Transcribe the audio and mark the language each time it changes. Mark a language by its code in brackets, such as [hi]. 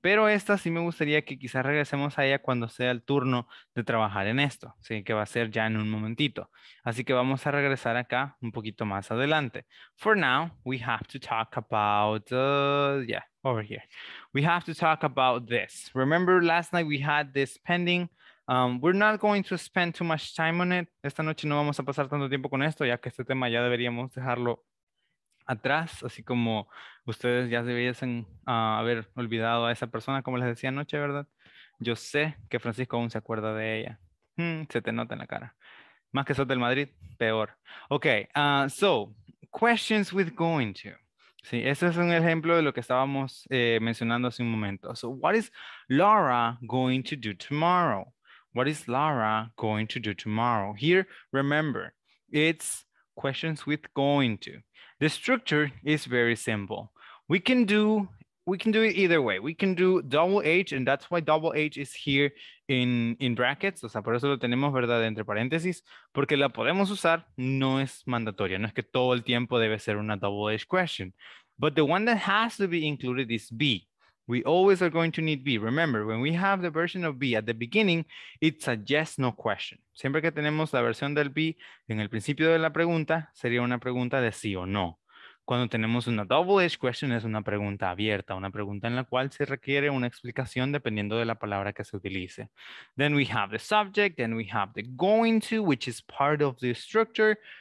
[es] Pero esta sí me gustaría que quizás regresemos a ella cuando sea el turno de trabajar en esto. Sí, que va a ser ya en un momentito. Así que vamos a regresar acá un poquito más adelante. [en] For now, we have to talk about, over here. We have to talk about this. Remember last night we had this pending. We're not going to spend too much time on it. [es] Esta noche no vamos a pasar tanto tiempo con esto, ya que este tema ya deberíamos dejarlo atrás, así como ustedes ya debiesen haber olvidado a esa persona, como les decía anoche, ¿verdad? Yo sé que Francisco aún se acuerda de ella. Se te nota en la cara. Más que sos del Madrid, peor. [en] Ok, so, questions with going to. [es] Sí, ese es un ejemplo de lo que estábamos mencionando hace un momento. [en] So, what is Laura going to do tomorrow? What is Laura going to do tomorrow? Here, remember, it's questions with going to. The structure is very simple. We can do it either way. We can do double H, and that's why double H is here in brackets. [es] O sea, por eso lo tenemos, ¿verdad?, entre paréntesis, porque la podemos usar, no es mandatoria. No es que todo el tiempo debe ser una [en] double H question. But the one that has to be included is B. We always are going to need B. Remember, when we have the version of B at the beginning, it's a yes, no question. [es] Siempre que tenemos la versión del B en el principio de la pregunta, sería una pregunta de sí o no. Cuando tenemos una [en] double edged question, [es] es una pregunta abierta, una pregunta en la cual se requiere una explicación dependiendo de la palabra que se utilice. [en] Then we have the subject, then we have the going to, which is part of the structure.